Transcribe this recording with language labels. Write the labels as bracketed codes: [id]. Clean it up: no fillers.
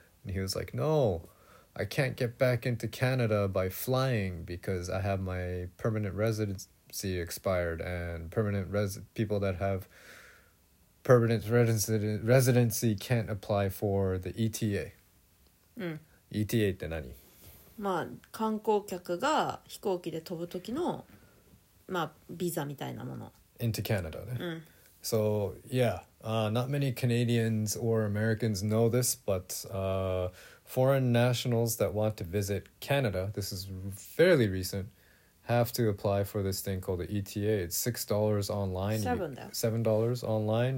[en] And he was like, no, I can't get back into Canada by flying because I have my permanent residency expired, and permanent people that have permanent residency can't apply for the ETA. [ja] ETA って何？まあ、観光客が飛行機で飛ぶ時の、まあ、ビザみたいなもの。 [en] Into Canada, ね。 [ja] うん。 [en] So, yeah, not many Canadians or Americans know this, but foreign nationals that want to visit Canada, this is fairly recent, have to apply for this thing called the ETA. It's $6 online. $7 online.